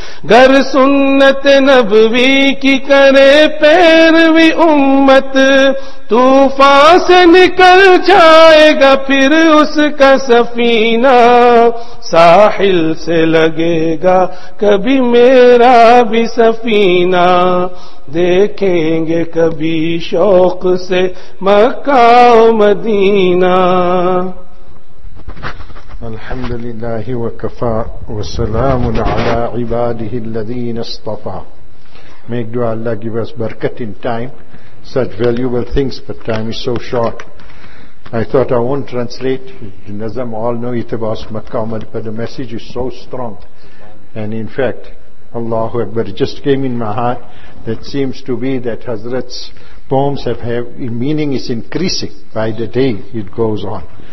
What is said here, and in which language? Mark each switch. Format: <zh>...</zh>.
<ur>گر سنت نبوی کی کرے پیروی امت، طوفان سے نکل جائے گا پھر اس کا سفینہ، ساحل سے لگے گا کبھی میرا بھی سفینہ، دیکھیں گے کبھی شوق سے مکہ و مدینہ.</ur> <ar>الحمد لله وكفى وسلام على عباده الذين اصطفى.</ar> <en>Make dua, Allah give us barakat in time, such valuable things, but time is so short. I thought I won't translate the nazam, all know it about Makkah, but the message is so strong. And in fact, Allahu Akbar just came in my heart, that seems to be that Hazrat's poems have meaning is increasing by the day it goes on.</en>